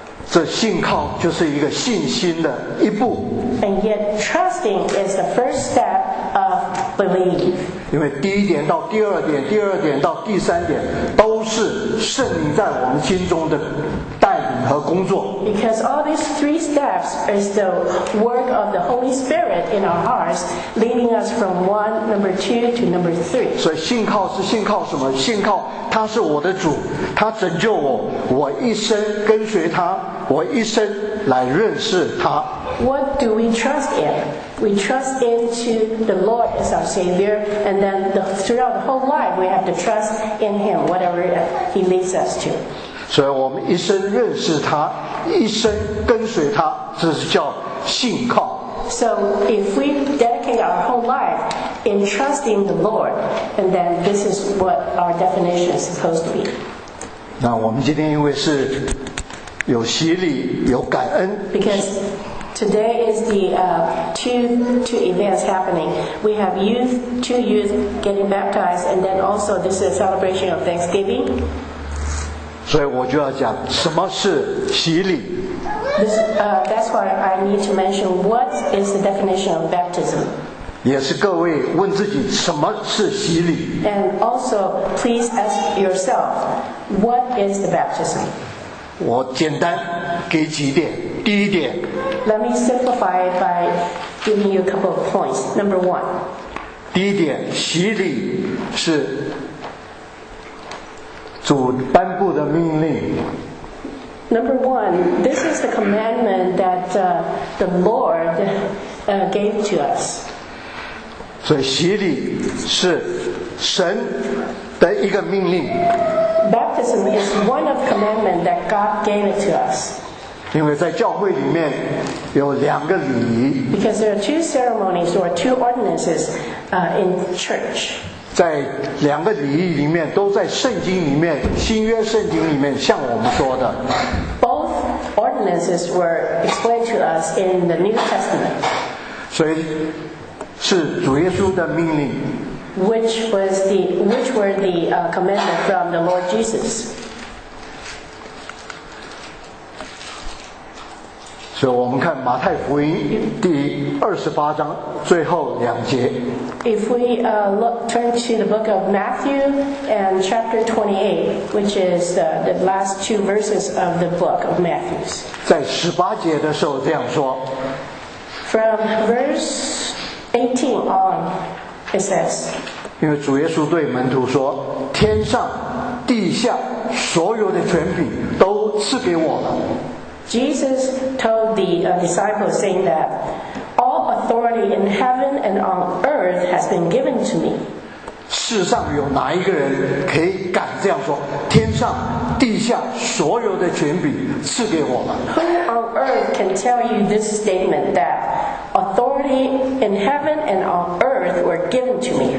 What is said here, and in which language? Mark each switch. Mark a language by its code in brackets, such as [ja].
[zh] 这信靠就是一个信心的一步。 [en] And yet trusting is the first step. Believe. [zh] 因为第一点到第二点，第二点到第三点，都是圣灵在我们心中的带领和工作。 [en] Because all these three steps is the work of the Holy Spirit in our hearts, leading us from one number two to number three. [zh] 所以信靠是信靠什么？信靠他是我的主，他拯救我，我一生跟随他，我一生来认识他。 [en] What do we trust in? We trust into the Lord as our Savior, and then throughout the whole life, we have to trust in Him, whatever He leads us to. [zh] 所以我们一生认识他，一生跟随他，这是叫信靠。 [en] So if we dedicate our whole life in trusting the Lord, and then this is what our definition is supposed to be. [zh] 那我们今天因为是有洗礼，有感恩。 [en] Because today is the two events happening. We have two youth getting baptized, and then also this is a celebration of Thanksgiving. [zh] 所以我就要讲什么是洗礼。 [en] That's why I need to mention what is the definition of baptism. [zh] 也是各位问自己什么是洗礼。 [en] And also, please ask yourself, what is the baptism? [zh] 我简单给几点。第一点 [en] ，Let me simplify by giving you a couple of points. Number one， [zh] 第一点，洗礼是主颁布的命令。 [en] Number one， this is the commandment that the Lord gave to us. [zh] 所以洗礼是神的一个命令。 [en] Baptism is one of the commandments that God gave it to us. [zh] 因为在教会里面有两个礼仪。 [en] Because there are two ceremonies or two ordinances in church. [zh] 在两个礼仪里面都在圣经里面，新约圣经里面向我们说的。 [en] Both ordinances were explained to us in the New Testament. [zh] 所以是主耶稣的命令。 [en] Which were the commandment from the Lord Jesus? [zh] 所以我们看马太福音第28章最后两节。 [en] If we look, turn to the book of Matthew and chapter 28, which is the last two verses of the book of Matthew. [zh] 在18节的时候这样说。 [en] From verse 18 on, it says. [zh] 因为主耶稣对门徒说，天上地下所有的权柄都赐给我了。 [en] Jesus told the disciples saying that all authority in heaven and on earth has been given to me. [zh] 世上有哪一个人可以敢这样说？天上地下所有的权柄赐给我了。 [en] Who on earth can tell you this statement that authority in heaven and on earth were given to me?